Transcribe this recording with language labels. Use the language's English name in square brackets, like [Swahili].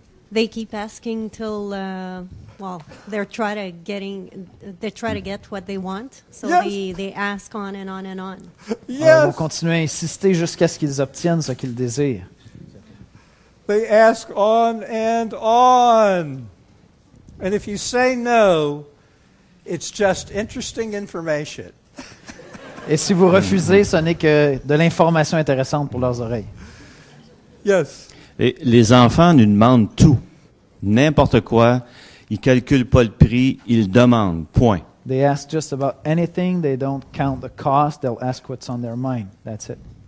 [English] They keep asking till they try to get what they want. So yes. they ask on and on and on. Yes. [French] Alors, vous continuez à insister jusqu'à ce qu'ils obtiennent ce qu'ils désirent. [English] They ask on and on. And if you say no, it's just interesting information. [French] Et si vous refusez, ce n'est que de l'information intéressante pour leurs oreilles. [English] Yes. [French] Et les enfants nous demandent tout. N'importe quoi, ils calculent pas le prix, ils demandent. Point. [English] They ask just about anything. They don't count the cost. They'll ask what's on their mind. That's it.